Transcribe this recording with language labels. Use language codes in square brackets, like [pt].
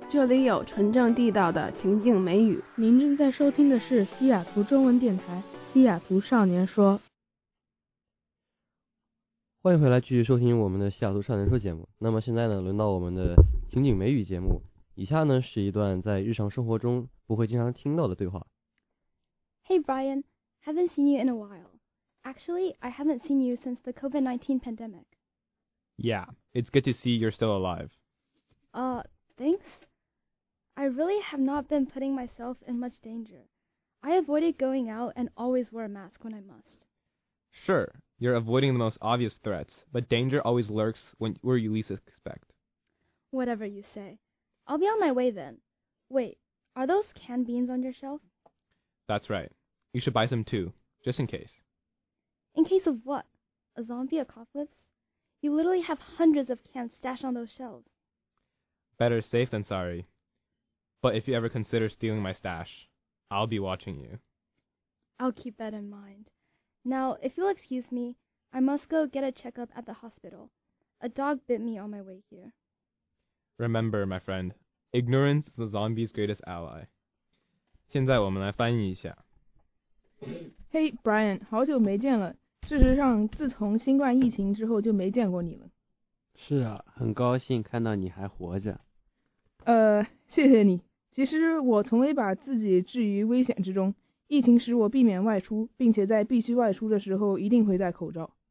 [zh] 这里有纯正地道的情境美语。您正在收听的是西雅图中文电台西雅图少年说。欢迎回来继续收听我们的西雅图少年说节目。那么现在呢，轮到我们的情景美语节目，以下呢是一段在日常生活中不会经常听到的对话。 [en] Hey Brian, haven't seen you in a while. Actually, I haven't seen you since the COVID-19 pandemic. Yeah, it's good to see you're still alive. Thanks. I really have not been putting myself in much danger. I avoided going out and always wore a mask when I must. Sure, you're avoiding the most obvious threats, but danger always lurks where you least expect. Whatever you say. I'll be on my way then. Wait, are those canned beans on your shelf? That's right. You should buy some too, just in case. In case of what? A zombie apocalypse? You literally have hundreds of cans stashed on those shelves. Better safe than sorry. But if you ever consider stealing my stash, I'll be watching you. I'll keep that in mind. Now, if you'll excuse me, I must go get a checkup at the hospital. A dog bit me on my way here. Remember, my friend, ignorance is the zombie's greatest ally. [zh] 现在我们来翻译一下。 Hey Brian, 好久没见了。事实上，自从新冠疫情之后就没见过你了。是啊，很高兴看到你还活着。谢谢你。其实我从未把自己置于危险之中。疫情使我避免外出，并且在必须外出的时候一定会戴口罩。